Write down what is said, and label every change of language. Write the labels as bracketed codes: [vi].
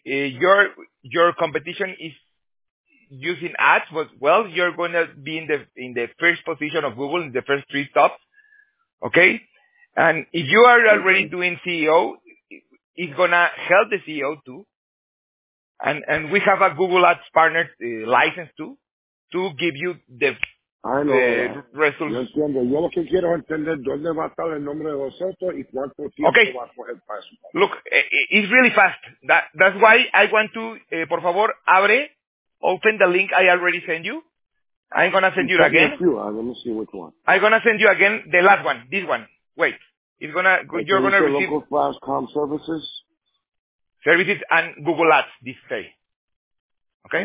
[en] Your competition is using ads, but well, you're going to be in the first position of Google in the first three tops. Okay, and if you are already doing SEO, it's gonna help the SEO too. And we have a Google Ads partner license too, to give you the results. [es] Yo entiendo. Yo lo que quiero entender dónde va a estar el nombre de vosotros y cuánto tiempo va a coger paso. [en] Look, it's really fast. That's why I want to. [es] Por favor, [en] open the link I already sent you. I'm going to send you again. Let me see which one. I'm going to send you again the last one, this one. Wait. You're going to receive... Local Fastcom services? Services and Google Ads, this day. Okay?